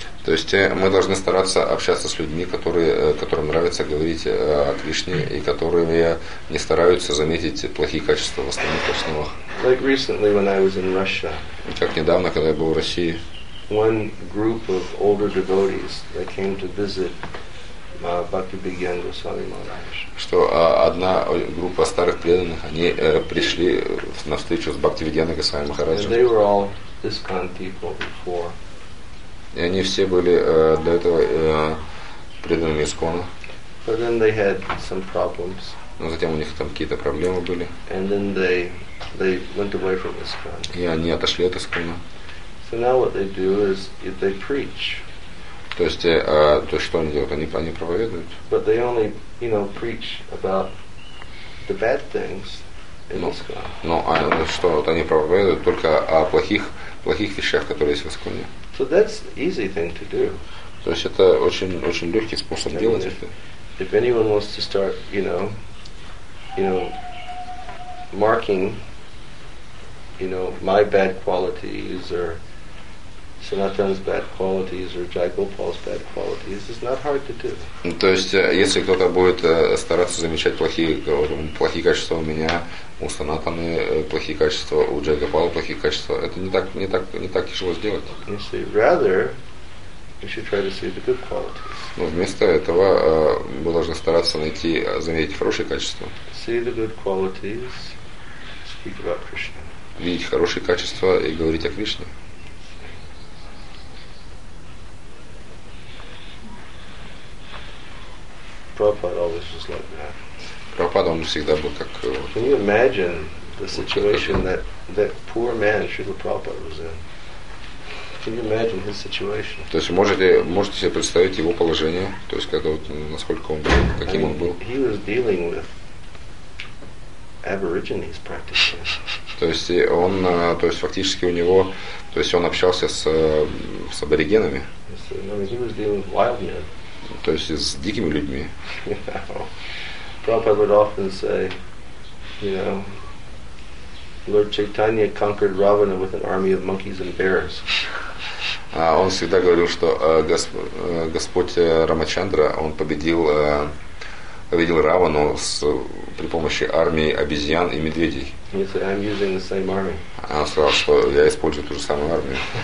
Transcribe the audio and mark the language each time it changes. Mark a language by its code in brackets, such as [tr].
[ru] То есть мы должны стараться общаться с людьми, которым нравится говорить о Кришне и которые не стараются заметить плохие качества в остальных вайшнавах. [en] Like recently when I was in Russia. [ru] Как недавно, когда я был в России. [en] One group of older devotees that came to visit Bhakti Bhigyan Goswami Maharaj. [ru] Что одна группа старых преданных, они пришли на встречу с Бхакти Бхигьяной Госвами Махараджем. [en] They were all ISKCON people before. [ru] И они все были до этого преданными ИСКОНу. [en] But then they had some problems. [ru] Но затем у них там какие-то проблемы были. [en] And then they went away from ISKCON. [ru] И они отошли от ИСКОНа. [en] So now what they do is if they preach. [ru] То есть то, что они делают, они проповедуют. [en] But they only, you know, preach about the bad things in ISKCON. [ru] Но что вот они проповедуют только о плохих вещах, которые есть в ИСКОНе. [en] So that's easy thing to do. [ru] То есть это очень легкий способ делать это. [en] If anyone wants to start, you know, marking, you know, my bad qualities or Sanatana's bad qualities or Jai Gopal's bad qualities, it's not hard to do. [ru] То есть если кто-то будет стараться замечать плохие качества у меня, у Санатаны плохие качества, у Джай Гопала плохие качества, это не так тяжело сделать. [en] You see, rather, we should try to see the good qualities. [ru] Но вместо этого мы должны стараться найти, заметить хорошие качества. [en] See the good qualities, speak about Krishna. [ru] Видеть хорошие качества и говорить о Кришне. [en] Prabhupada always was like that. [ru] Prabhupada, он всегда был как. [en] Can you imagine the situation that poor man Srila Prabhupada was in? Can you imagine his situation? [ru] То есть можете себе представить его положение, то есть когда вот насколько он был, каким он был. [en] He was dealing with aborigines practically. [ru] То есть он, то есть фактически у него, то есть он общался с аборигенами. [en] He was dealing with wild men. [ru] То есть с дикими людьми. [en] Prabhupada would often say, you know, Lord Chaitanya conquered Ravana with an army of monkeys and bears. [ru] Он всегда говорил, что Господь Рамачандра, он победил Равану при помощи армии обезьян и медведей. [en] He said, I'm using the same army. [ru] Он сказал, что я использую ту же самую армию.